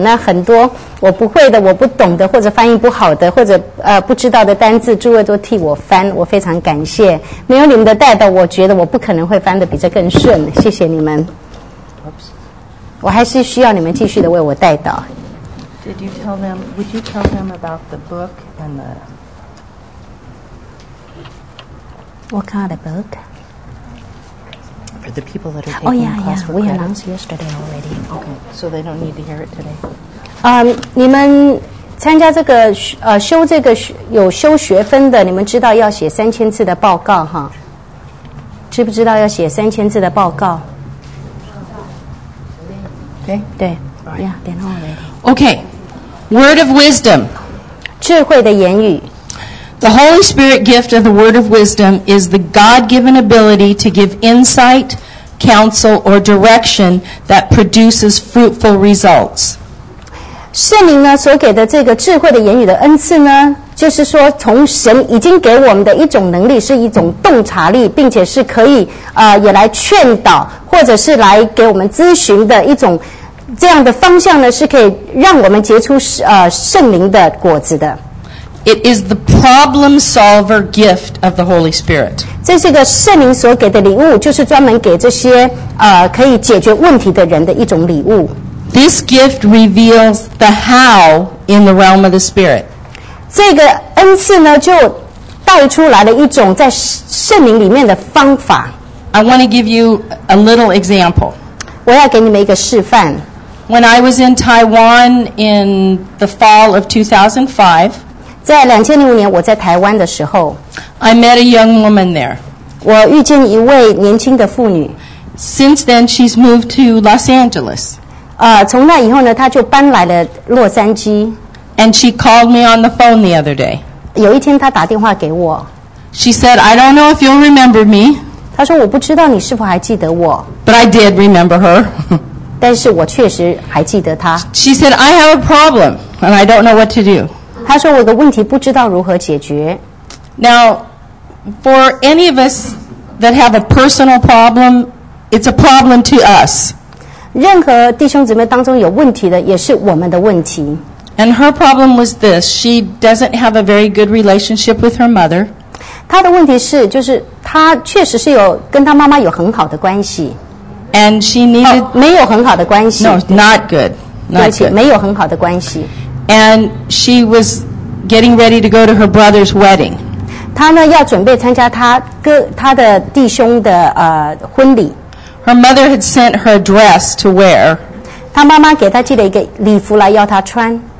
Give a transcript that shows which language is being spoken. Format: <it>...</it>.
<zh>那很多我不会的、我不懂的，或者翻译不好的，或者不知道的单字，诸位都替我翻，我非常感谢。没有你们的带导，我觉得我不可能会翻得比这更顺。谢谢你们。我还是需要你们继续的为我带导。</zh> <en>Did you tell them? Would you tell them about the book and the? What kind of book? For the people that are taking class for credit. Oh, yeah, yeah. We announced yesterday already. Okay, so they don't need to hear it today.</en> <zh>你们参加这个修这个有修学分的，你们知道要写三千字的报告哈？知不知道要写三千字的报告？对、okay. 对。</zh> <en>Right. Yeah, they know already. Okay, word of wisdom.</en> <zh>智慧的言语。</zh> <en>The Holy Spirit gift of the Word of Wisdom is the God-given ability to give insight, counsel, or direction that produces fruitful results.</en> <zh>圣灵呢所给的这个智慧的言语的恩赐呢，就是说从神已经给我们的一种能力，是一种洞察力，并且是可以也来劝导，或者是来给我们咨询的一种这样的方向呢，是可以让我们结出圣灵的果子的。</zh> <en>It is the problem solver gift of the Holy Spirit.</en> <zh>这是个圣灵所给的礼物，就是专门给这些可以解决问题的人的一种礼物。</zh> <en>This gift reveals the how in the realm of the Spirit.</en> <zh>这个恩赐呢，就带出来了一种在圣灵里面的方法。</zh> <en>I want to give you a little example.</en> <zh>我要给你们一个示范。</zh> <en>When I was in Taiwan in the fall of 2005,</en> <zh>在2005年我在台湾的时候</zh> <en>I met a young woman there.</en> <zh>我遇见一位年轻的妇女</zh> <en>Since then she's moved to Los Angeles.</en> <zh>从那以后呢她就搬来了洛杉矶</zh> <en>And she called me on the phone the other day.</en> <zh>有一天她打电话给我</zh> <en>She said, I don't know if you'll remember me.</en> <zh>她说我不知道你是否还记得我</zh> <en>But I did remember her.</en> <zh>但是我确实还记得她</zh> <en>She said, I have a problem and I don't know what to do.</en> <zh>他说我的问题不知道如何解决。</zh> <en>Now, for any of us that have a personal problem, it's a problem to us.</en> <zh>任何弟兄姊妹当中有问题的，也是我们的问题。</zh> <en>And her problem was this: she doesn't have a very good relationship with her mother.</en> <zh>她的问题是，就是她确实是有跟她妈妈有很好的关系。</zh> <en>And she needed</en> <zh>没有很好的关系。</zh> <en>No, not good. Not good.</en> <zh>没有很好的关系。</zh> <en>And she was getting ready to go to her brother's wedding.</en> <zh>她呢要准备参加她的弟兄的婚礼。</zh> <en>Her mother had sent her a dress to wear.</en> <zh>她妈妈给她寄了一个礼服来要她穿。</zh>